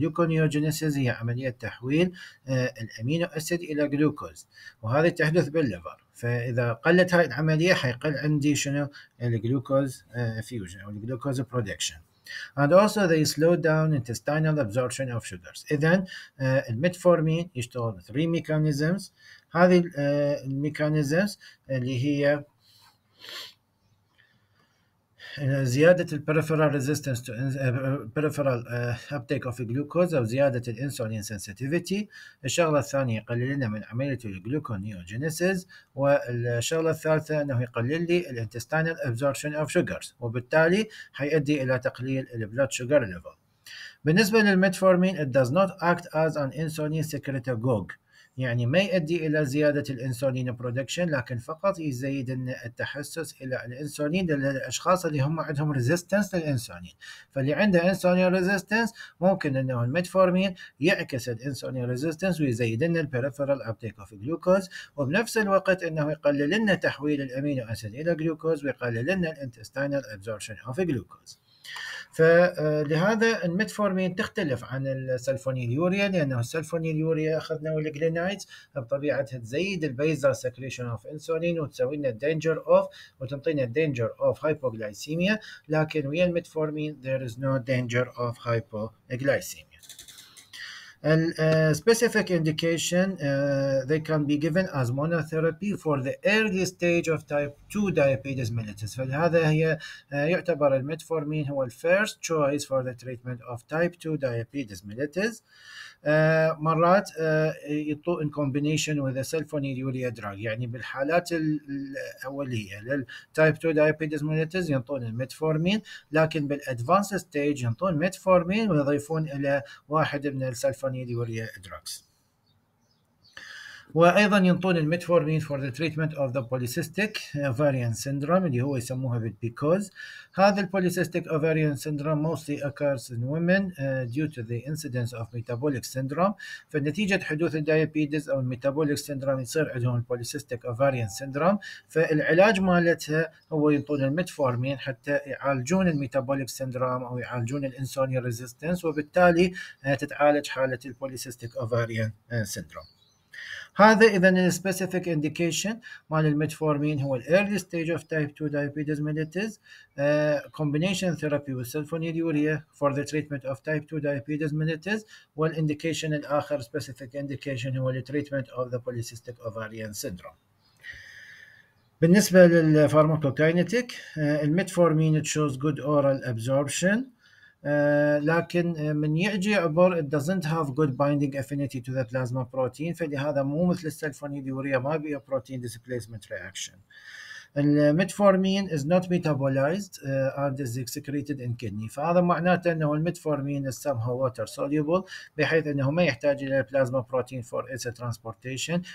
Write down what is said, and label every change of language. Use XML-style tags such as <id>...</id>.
<ar>Gluconeogenesis هي عملية تحويل الامينو اسيد الى جلوكوز، وهذا تحدث بالليفر. فاذا قلت هاي العملية حيقل عندي شنو الجلوكوز فيوجن او الجلوكوز برودكشن.</ar> <en>And also they slow down intestinal absorption of sugars.</en> <ar>إذن الميتفورمين يشتغل</ar> <en>three mechanisms.</en> <ar>هذه الميكانيزمز اللي هي زيادة</ar> <en>peripheral resistance to peripheral uptake of glucose</en> <ar>أو زيادة</ar> <en>insulin sensitivity.</en> <ar>الشغلة الثانية يقلل لنا من عملية gluconeogenesis، والشغلة الثالثة أنه يقلل لي</ar> <en>intestinal absorption of sugars،</en> <ar>وبالتالي حيؤدي إلى تقليل</ar> <en>blood sugar level.</en> <ar>بالنسبة للميتفورمين</ar> <en>it does not act as an insulin secretagogue،</en> <ar>يعني ما يؤدي إلى زيادة الإنسولين برودكشن، لكن فقط يزيد التحسس إلى الإنسولين للأشخاص اللي هم عندهم ريزيستنس للإنسولين. فاللي عنده إنسولين ريزيستنس ممكن أنه الميتفورمين يعكس الإنسولين ريزيستنس ويزيد لنا البريفرال أبتيك أوف جلوكوز، وبنفس الوقت أنه يقلل لنا تحويل الأمينو أسيد إلى جلوكوز ويقلل لنا الانتستينال أبزورشن أوف جلوكوز. فلهذا الميتفورمين تختلف عن السلفونيل يوريا، لانه السلفونيل يوريا اخذنا والجلينايتس بطبيعتها تزيد البيزال سكريشن اوف انسولين وتسوي لنا دينجر اوف وتعطينا دينجر اوف هايبوغلايسيميا، لكن ويا الميتفورمين ذير از نو دينجر اوف هايبوغلايسيميا.</ar> <en>Specific indication, they can be given as monotherapy for the early stage of type 2 diabetes mellitus.</en> <ar>فلهذا هي يعتبر الميتفورمين هو</ar> <en>the first choice for the treatment of type 2 diabetes mellitus.</en> <ar>مرات يطو</ar> <en>in combination with a sulfonylurea drug،</en> <ar>يعني بالحالات الأولية لل</ar> <en>type 2 diabetes mellitus</en> <ar>ينطون الميتفورمين، لكن بال</ar> <en>advanced stage</en> <ar>ينطون ميتفورمين ويضيفون إلى واحد من السلفونيليوريا drugs. وأيضا ينطون الميتفورمين</ar> <en>for the treatment of the polycystic ovarian syndrome</en> <ar>اللي هو يسموها بالبيكوز. هذا البوليسيستيك</ar> <en>ovarian syndrome mostly occurs in women due to the incidence of metabolic syndrome.</en> <ar>فنتيجة حدوث الديابيتس أو الميتابوليك سيندروم يصير عندهم البوليسيستيك ovarian syndrome، فالعلاج مالتها هو ينطون الميتفورمين حتى يعالجون الميتابوليك سيندروم أو يعالجون الانسولين ريزيستنس، وبالتالي تتعالج حالة البوليسيستيك ovarian syndrome. هذا إذا</ar> <en>specific indication</en> <ar>مال الميتفورمين هو</ar> <en>early stage of type 2 diabetes mellitus. Combination therapy with sulfonylurea for the treatment of type 2 diabetes mellitus. والindication الآخر specific indication هو the treatment of the polycystic ovarian syndrome.</en> <ar>بالنسبة للفارماكوكينيتيك الميتفورمين</ar> <en>it shows good oral absorption.</en> <ar>لكن من يجي عبر</ar> <en>it doesn't have good binding affinity to the plasma protein،</en> <ar>فلهذا مو مثل السلفونيليوريا ما بيها</ar> <en>protein displacement reaction. الميتفورمين is not metabolized and is excreted in kidney.</en> <ar>فهذا معناته أنه الميتفورمين</ar> <en>is somehow water soluble</en> <ar>بحيث أنه ما يحتاج إلى</ar> <en>plasma protein for its transportation.</en>